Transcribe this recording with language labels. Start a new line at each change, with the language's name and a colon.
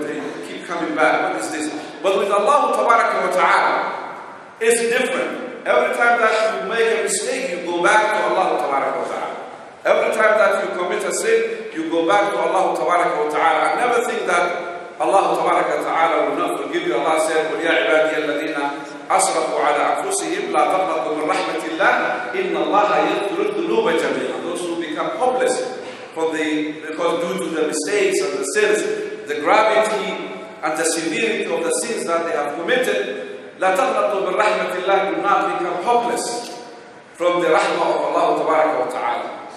English: They will keep coming back. What is this? But with Allah tabaraka wa ta'ala, it's different. Every time that you make a mistake, you go back to Allah tabaraka wa ta'ala. Every time that you commit a sin, you go back to Allah tabaraka wa ta'ala. I never think that Allah tabaraka wa ta'ala will not forgive you.
Arabic: Allah said, قُلْ يَا عِبَادِيَ الَّذِينَ أَصْرَفُوا عَلَىٰ أَنفُسِهِمْ لَا تَقْنَطُوا مِنْ رَحْمَةِ اللَّهِ إِنَّ اللَّهَ يَغْفِرُ الذُّنُوبَ جَمِيعًا.
English: Those who become hopeless because due to the mistakes and the sins, the gravity and the severity of the sins that they have committed,
Arabic: لَا تَقْنَطُوا مِنْ رَحْمَةِ اللَّهِ,
English: do not become hopeless from the rahmah of Allah tabaraka wa ta'ala.